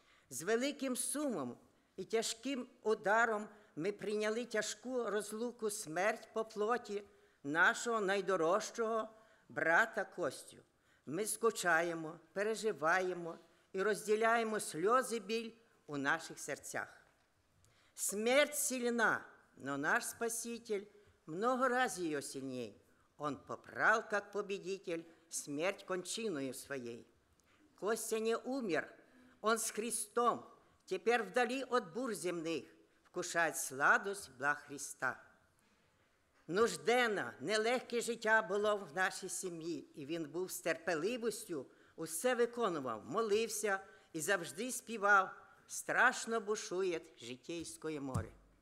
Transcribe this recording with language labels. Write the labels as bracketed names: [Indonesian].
[Ukrainian] З великим сумом і тяжким ударом ми прийняли тяжку розлуку, смерть по плоті нашого найдорожчого брата Костю. Ми скучаємо, переживаємо і розділяємо сльози біль у наших серцях. [Russian] Смерть сильна, но наш Спаситель много [Ukrainian] разів її [Russian] сильней. Он попрал, как победитель, смерть кончиною своей. Костя не умер, он с Христом, теперь вдали от бур земных, вкушает сладость благ Христа. [Ukrainian] Нужденно, нелегке життя було в нашій сім'ї, і він був з терпеливістю, усе виконував, молився і завжди співав «Страшно бушує житейське море».